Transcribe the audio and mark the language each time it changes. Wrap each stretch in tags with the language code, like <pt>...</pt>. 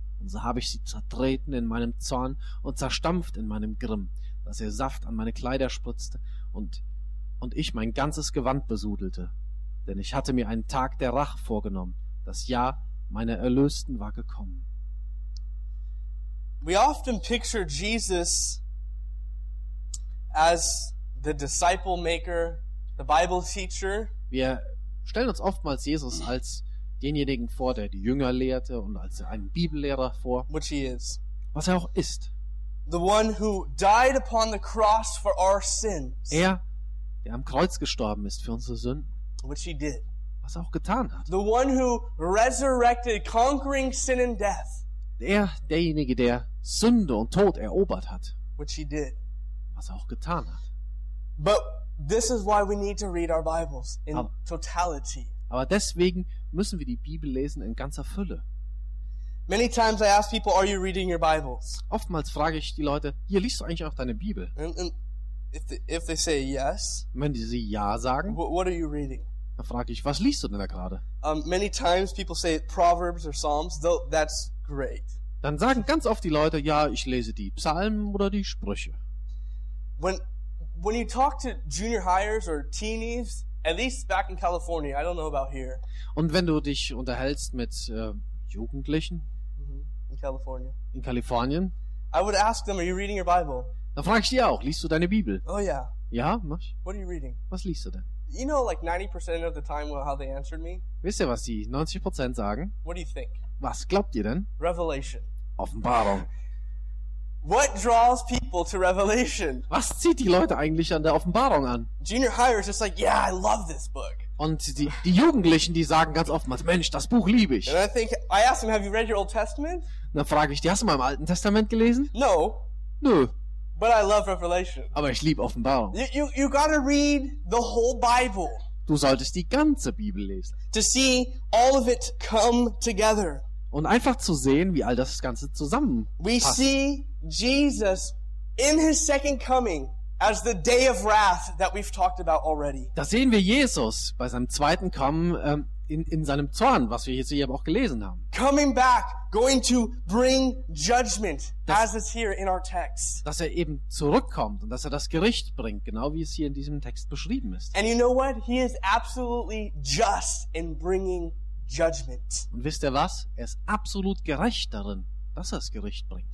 <de>Und so habe ich sie zertreten in meinem Zorn und zerstampft in meinem Grimm, dass ihr Saft an meine Kleider spritzte und ich mein ganzes Gewand besudelte. Denn ich hatte mir einen Tag der Rache vorgenommen. Das Jahr meiner Erlösten war gekommen.</de> <en>We often picture Jesus as the disciple maker, the Bible teacher.</en> <de>Wir stellen uns oftmals Jesus als denjenigen vor, der die Jünger lehrte, und als einen Bibellehrer vor.</de> <en>Which he is.</en> <de>Was er auch ist.</de> <en>The one who died upon the cross for our sins.</en> <de>Er, der am Kreuz gestorben ist für unsere Sünden.</de> <en>Which he did.</en> <de>Was er auch getan hat.</de> <en>The one who resurrected, conquering sin and death.</en> <de>Er, derjenige, der Sünde und Tod erobert hat.</de> <en>Which he did.</en> <de>Was er auch getan hat.</de> <en>But this is why we need to read our Bibles in totality.</en> <de>Aber deswegen müssen wir die Bibel lesen in ganzer Fülle.</de> <en>Many times I ask people, are you reading your Bibles?</en> <de>Oftmals frage ich die Leute, hier, liest du eigentlich auch deine Bibel?</de> <en>And if they say yes,</en> <de>wenn sie ja sagen,</de> <en>what are you reading?</en> <de>Dann frage ich, was liest du denn da gerade?</de> <en>Many times people say Proverbs or Psalms, though that's great.</en> <de>Dann sagen ganz oft die Leute, ja, ich lese die Psalmen oder die Sprüche.</de> <en>When you talk to junior hires or teenies, at least back in California, I don't know about here.</en> <de>Und wenn du dich unterhältst mit Jugendlichen</de> <en>in California.</en> <de>In Kalifornien?</de> <en>I would ask them, are you reading your Bible?</en> <de>Da Dann frage ich dir auch, liest du deine Bibel?</de> <en>Oh yeah.</en> <de>Ja, mach.</de> <en>What are you reading?</en> <de>Was liest du denn?</de> <en>You know, like 90% of the time, how they answered me.</en> <de>Wisst ihr, was die 90% sagen?</de> <en>What do you think?</en> <de>Was glaubt ihr denn?</de> <en>Revelation.</en> <de>Offenbarung.</de> <en>What draws people to Revelation?</en> <de>Was zieht die Leute eigentlich an der Offenbarung an?</de> <en>Junior hires just like, yeah, I love this book.</en> <de>Und die Jugendlichen, die sagen ganz oftmals, Mensch, das Buch liebe ich.</de> <en>And I think, I ask them, have you read your Old Testament?</en> <de>Und dann frage ich, die hast du mal im Alten Testament gelesen?</de> <en>No.</en> <de>Nö.</de> <en>But I love Revelation.</en> <de>Aber ich liebe Offenbarung.</de> <en>You gotta read the whole Bible.</en> <de>Du solltest die ganze Bibel lesen.</de> <en>To see all of it come together.</en> <de>Und einfach zu sehen, wie all das Ganze zusammenpasst.</de> <en>We see Jesus in his second coming as the day of wrath that we've talked about already.</en> <de>Da sehen wir Jesus bei seinem zweiten Kommen in seinem Zorn, was wir jetzt hier auch gelesen haben.</de> <en>Coming back, going to bring judgment, as it's here in our text.</en> <de>Dass er eben zurückkommt und dass er das Gericht bringt, genau wie es hier in diesem Text beschrieben ist.</de> <en>And you know what? He is absolutely just in bringing judgment.</en> <de>Und wisst ihr was? Er ist absolut gerecht darin, dass er das Gericht bringt.</de>